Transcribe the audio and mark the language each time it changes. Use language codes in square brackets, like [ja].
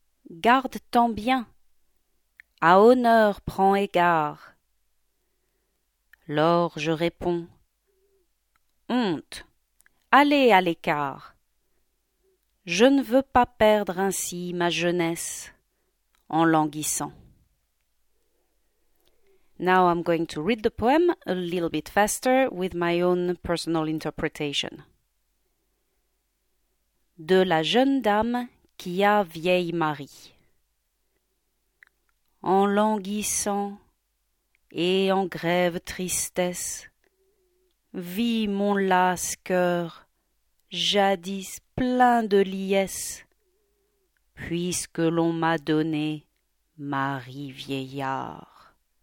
[fr] Garde ton bien, à honneur prends égard. Lors je réponds, honte, allez à l'écart. Je ne veux pas perdre ainsi ma jeunesse en languissant. [en] Now I'm going to read the poem a little bit faster with my own personal interpretation. [fr] De la jeune dame qui a vieille mari. En languissant et en grève tristesse, vit mon las cœur, jadis plein de liesse, puisque l'on m'a donné mari vieillard.